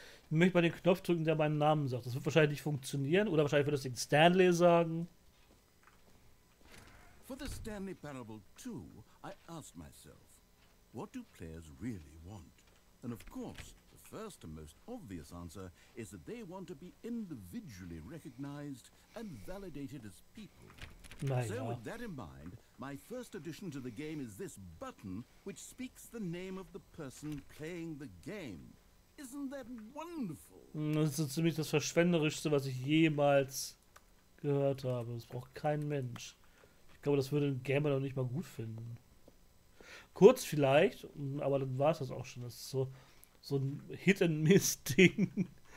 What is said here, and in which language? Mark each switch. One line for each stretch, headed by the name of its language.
German: Ich möchte mal den Knopf drücken, der meinen Namen sagt. Das wird wahrscheinlich nicht funktionieren. Oder wahrscheinlich wird das den Stanley sagen.
English: For the Stanley Parable 2, I asked myself, what do players really want? And of course, the first and most obvious answer is that they want to be individually recognized and validated as people.
German: Naja.
English: So with that in mind, my first addition to the game is this button, which speaks the name of the person playing the game. Isn't that wonderful?
German: Das ist so ziemlich das Verschwenderischste, was ich jemals gehört habe. Das braucht kein Mensch. Ich glaube, das würde ein Gamer noch nicht mal gut finden. Kurz vielleicht, aber dann war es das auch schon. Das ist so ein Hit-and-Miss-Ding.